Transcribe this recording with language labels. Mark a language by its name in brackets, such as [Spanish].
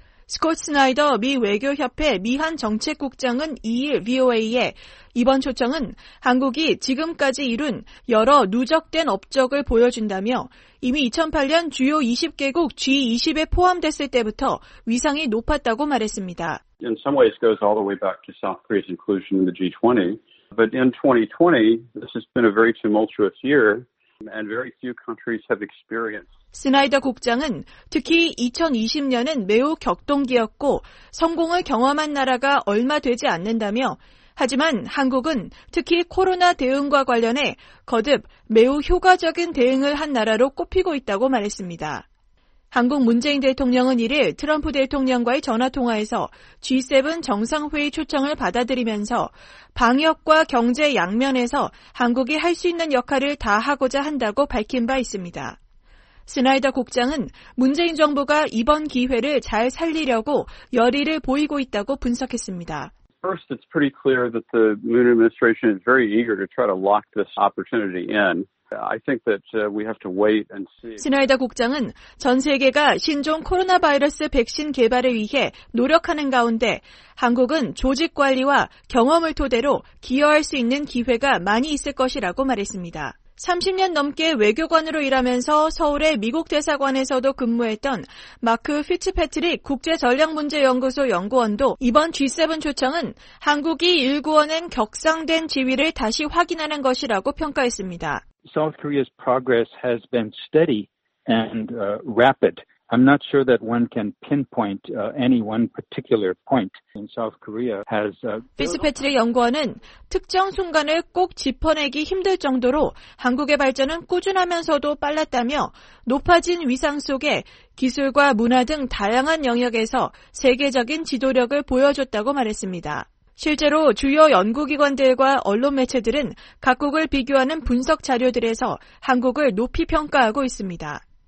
[Korean] 스콧 스나이더 미 외교협회 미한정책국장은 2일 VOA에 이번 초청은 한국이 지금까지 이룬 여러 누적된 업적을 보여준다며 이미 2008년 주요 20개국 G20에 포함됐을 때부터 위상이 높았다고 말했습니다. [English] In some ways goes all the way back to South Korea's inclusion in the G20. But in 2020, this has been a very tumultuous year and very few countries have experienced. [Korean] 스나이더 국장은 특히 2020년은 매우 격동기였고 성공을 경험한 나라가 얼마 되지 않는다며 하지만 한국은 특히 코로나 대응과 관련해 거듭 매우 효과적인 대응을 한 나라로 꼽히고 있다고 말했습니다. 한국 문재인 대통령은 이를 트럼프 대통령과의 전화통화에서 G7 정상회의 초청을 받아들이면서 방역과 경제 양면에서 한국이 할 수 있는 역할을 다하고자 한다고 밝힌 바 있습니다. 스나이더 국장은 문재인 정부가 이번 기회를 잘 살리려고 열의를 보이고 있다고 분석했습니다. [English] First, it's pretty clear that the Moon administration is very eager to try to lock this opportunity in. I think that we have to wait and see. [Korean] 스나이더 국장은 전 세계가 신종 코로나 바이러스 백신 개발을 위해 노력하는 가운데 한국은 조직 관리와 경험을 토대로 기여할 수 있는 기회가 많이 있을 것이라고 말했습니다. 30년 넘게 외교관으로 일하면서 서울의 미국 대사관에서도 근무했던 마크 피츠패트릭 국제전략문제연구소 연구원도 이번 G7 초청은 한국이 일구어낸 격상된 지위를 다시 확인하는 것이라고 평가했습니다. [English] South Korea's progress has been steady and rapid. I'm not sure that one can pinpoint any one particular point in South Korea has a [Korean] 피츠패트릭 연구원은 특정 순간을 꼭 짚어내기 힘들 정도로 한국의 발전은 꾸준하면서도 빨랐다며 높아진 위상 속에 기술과 문화 등 다양한 영역에서 세계적인 지도력을 보여줬다고 말했습니다. 실제로 주요 연구기관들과 언론 매체들은 각국을 비교하는 분석 자료들에서 한국을 높이 평가하고 있습니다.